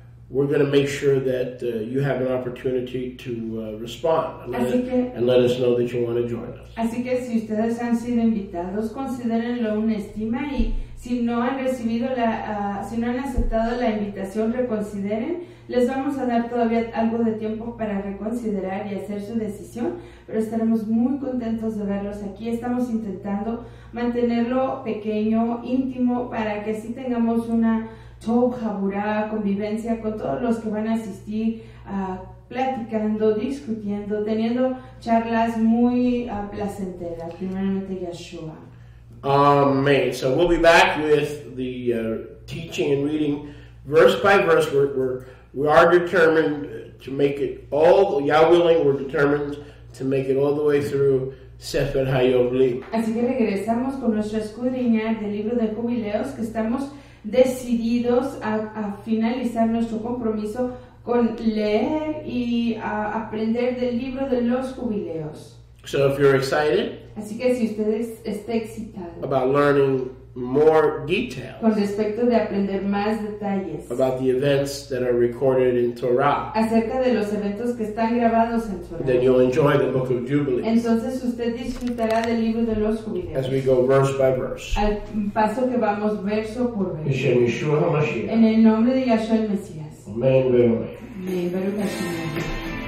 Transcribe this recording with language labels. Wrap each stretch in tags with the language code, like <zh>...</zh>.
<en>We're going to make sure that you have an opportunity to respond and let us know that you want to join us.</en> <es>Así que si ustedes han sido invitados, considérenlo una estima y si no han recibido si no han aceptado la invitación, reconsideren. Les vamos a dar todavía algo de tiempo para reconsiderar y hacer su decisión, pero estaremos muy contentos de verlos aquí. Estamos intentando mantenerlo pequeño, íntimo, para que así tengamos una Jaburá, convivencia con todos los que van a asistir, platicando, discutiendo, teniendo charlas muy placenteras, primeramente Yeshua. Amen.</es> <en>So we'll be back with the teaching and reading verse by verse. We are determined to make it all, Yah willing, we're determined to make it all the way through Sefer HaYovelim.</en> <es>Así que regresamos con nuestro escudriñar del libro de Jubileos que estamos decididos a finalizar nuestro compromiso con leer y aprender del libro de los jubileos.</es> <en>So if you're excited,</en> <es>así que si usted está excitado</es> <en>about learning more details,</en> <es>con respecto de aprender más detalles</es> <en>about the events that are recorded in Torah,</en> <es>acerca de los eventos que están grabados en Torah,</es> <en>then you'll enjoy the book of Jubilees.</en> <es>Entonces usted disfrutará del libro de los jubileos.</es> <en>As we go verse by verse.</en> <es>Al paso que vamos verso por verso. En el nombre de Yahshua el Mesías. Amén,</es> <he>Baruch Hashem.</he>